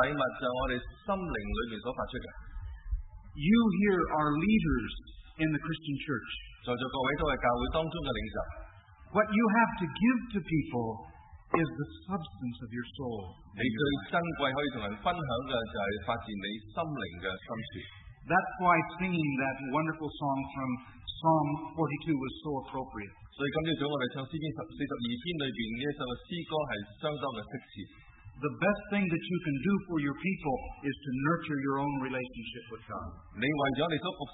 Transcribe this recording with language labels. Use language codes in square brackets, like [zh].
[zh] 我相信有时候我们可以送给其他人最大的礼物就是我们心灵里面所发出的。 [en] You here are leaders in the Christian church. [zh] 在座各位都是教会当中的领袖。 [en] What you have to give to people is the substance of your soul. [zh] 你最珍贵可以跟人分享的就是发自你心灵的心血。 [en] That's why singing that wonderful song from Psalm 42 was so appropriate. [zh] 所以今天早上我们唱诗篇42篇里面呢一首诗歌是相当的适切。 [en] The best thing that you can do for your people is to nurture your own relationship with God.